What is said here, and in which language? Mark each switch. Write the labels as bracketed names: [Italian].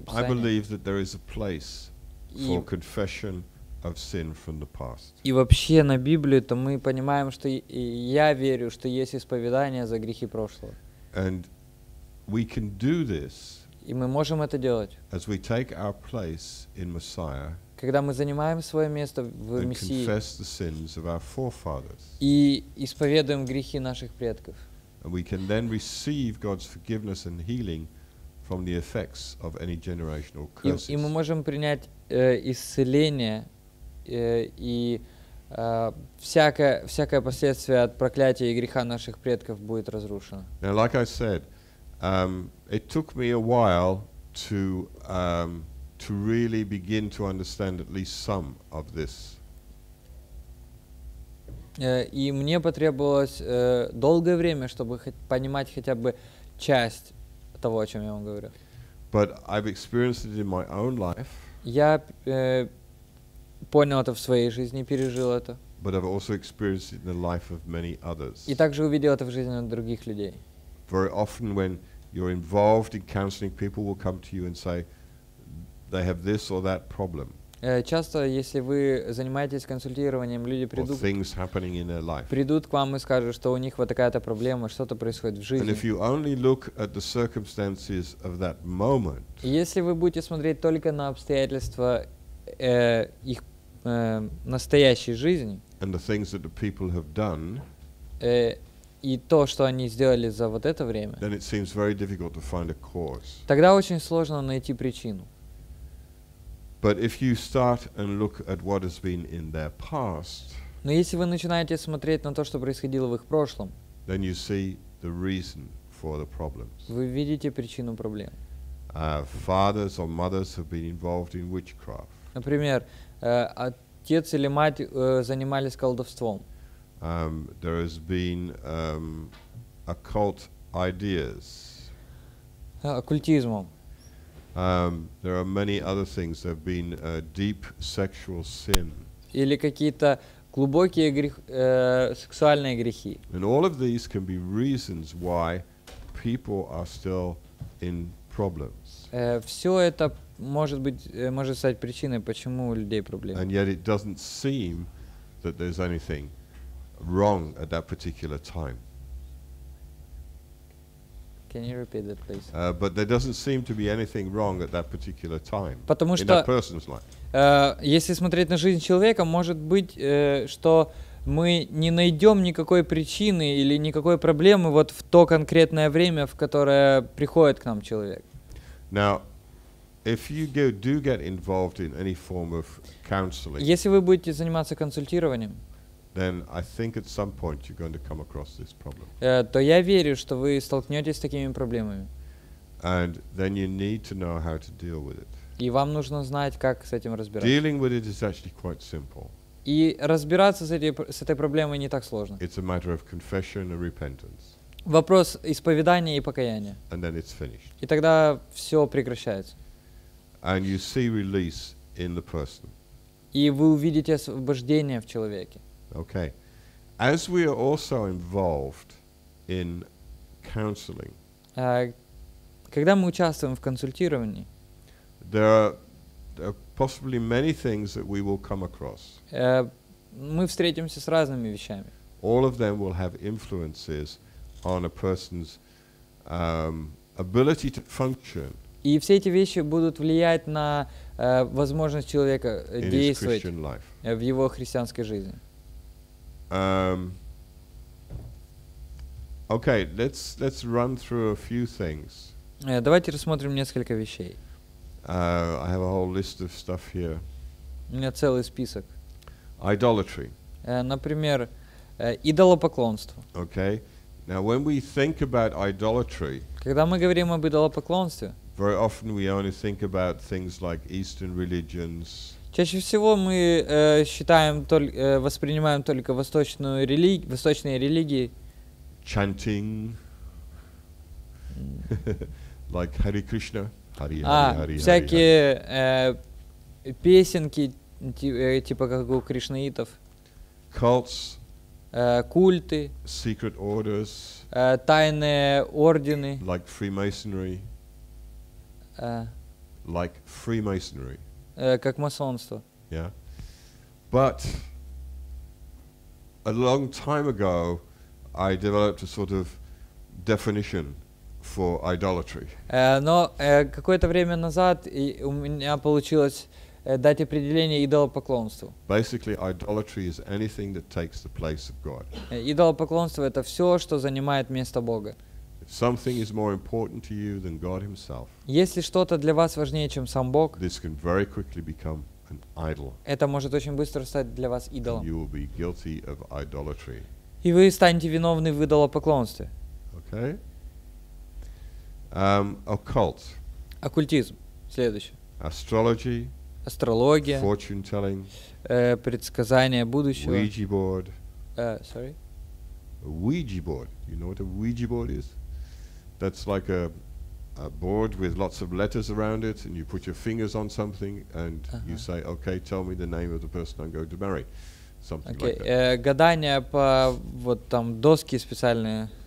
[Russian] Писания, [English] I believe that there is a place for confession of sin from the past. [Russian] И вообще на Библию, то мы понимаем, что я верю, что есть исповедание за грехи прошлого. [English] And we can do this. [Russian] И мы можем это делать. [English] As we take our place in Messiah. [Russian] Когда мы занимаем свое место в Мессии. [English] And confess the sins of our forefathers. [Russian] И исповедуем грехи наших предков. [English] And we can then receive God's forgiveness and healing from the effects of any generational curses. [Russian] И мы можем принять исцеление и всякое последствие от проклятия и греха наших предков будет разрушено. [English] Now, like I said, it took me a while to really begin to understand at least some of this. [Russian] И мне потребовалось долгое время, чтобы понимать хотя бы часть того, о чем я вам говорю. [English] But I've experienced it in my own life. [Russian] Я понял это в своей жизни, пережил это. [English] But I've also experienced it in the life of many others. [Russian] И также увидел это в жизни других людей. [English] Very often when you're involved in counseling, people will come to you and say they have this or that problem. [Russian] Часто, если вы занимаетесь консультированием, люди придут, [English] or things happening in their life. [Russian] Придут к вам и скажут, что у них вот такая-то проблема, что-то происходит в жизни. [English] And if you only look at the circumstances of that moment, [Russian] если вы будете смотреть только на обстоятельства их настоящей жизни, [English] and the things that the people have done, [Russian] и то, что они сделали за вот это время, [English] then it seems very difficult to find a cause. [Russian] Тогда очень сложно найти причину. [English] But if you start and look at what has been in their past, [Russian] но если вы начинаете смотреть на то, что происходило в их прошлом, [English] then you see the reason for the problems. [Russian] Вы видите причину проблем. [English] Fathers or mothers have been involved in witchcraft. [Russian] Например, отец или мать занимались колдовством. [English] There has been occult ideas. [Russian] Оккультизмом. [English] There are many other things. There have been deep sexual sin. [Russian] Или какие-то глубокие сексуальные грехи. [English] And all of these can be reasons why people are still in problems. [Russian] Все это может стать причиной, почему у людей проблемы. [English] And yet it doesn't seem that there's anything wrong at that particular time. Can you repeat that, please? But there doesn't seem to be anything wrong at that particular time. [Russian] Потому [English] in [Russian] что, [English] that person's life. [Russian] Если смотреть на жизнь человека, может быть, что мы не найдем никакой причины или никакой проблемы вот в то конкретное время, в которое приходит к нам человек. [English] Now, if you do get involved in any form of counseling, [Russian] если вы будете заниматься консультированием, [English] then I think at some point you're going to come across this problem. [Russian] То я верю, что вы столкнетесь с такими проблемами. [English] And then you need to know how to deal with it. [Russian] И вам нужно знать, как с этим разбираться. [English] Dealing with it is actually quite simple. [Russian] И разбираться с этой проблемой не так сложно. [English] It's a matter of confession and repentance. [Russian] Вопрос исповедания и покаяния. [English] And then it's finished. [Russian] И тогда все прекращается. [English] And you see release in the person. [Russian] И вы увидите освобождение в человеке. [English] Okay. As we are also involved in counseling, [Russian] когда мы участвуем в консультировании, [English] there are possibly many things that we will come across. [Russian] Мы встретимся с разными вещами. [English] All of them will have influences on a person's ability to function. [Russian] И все эти вещи будут влиять на возможность человека действовать в его христианской жизни. [English] Okay, let's run through a few things. [Russian] Давайте рассмотрим несколько вещей. [English] I have a whole list of stuff here. [Russian] У меня целый список. [English] Idolatry. [Russian] Например, идолопоклонство. [English] Okay. Now when we think about idolatry, [Russian] когда мы говорим об идолопоклонстве, [English] very often we only think about things like Eastern religions. [Russian] Чаще всего мы считаем, воспринимаем только восточные религии. [English] Chanting. Like Hare Krishna. [Russian] Всякие песенки, типа как у кришнаитов. [English] Cults. [Russian] Культы. [English] Secret orders. [Russian] Тайные ордены. [English] Like Freemasonry. Like Freemasonry. [Russian] Как масонство. [English] Yeah. But a long time ago I developed a sort of definition for idolatry. [Russian] Какое-то время назад у меня получилось дать определение идолопоклонству. [English] Basically idolatry is anything that takes the place of God. [Russian] Идолопоклонство это всё, что занимает место Бога. [English] Something is more important to you than God himself. [Russian] Если что-то для вас важнее, чем сам Бог, [English] this can very quickly become an idol. [Russian] Это может очень быстро стать для вас идолом. [English] And you will be guilty of idolatry. [Russian] И вы станете виновны в идолопоклонстве. [English] Okay. Occult. [Russian] Оккультизм. Следующее. [English] Astrology. [Russian] Астрология. [English] Fortune telling. [Russian] Предсказания будущего. [English] Ouija board. Sorry. A Ouija board. You know what a Ouija board is? That's like a a board with lots of letters around it, and you put your fingers on something, and you say, "Okay, tell me the name of the person I'm going to marry," something like that. [Russian] Гадание по вот там доски специальные.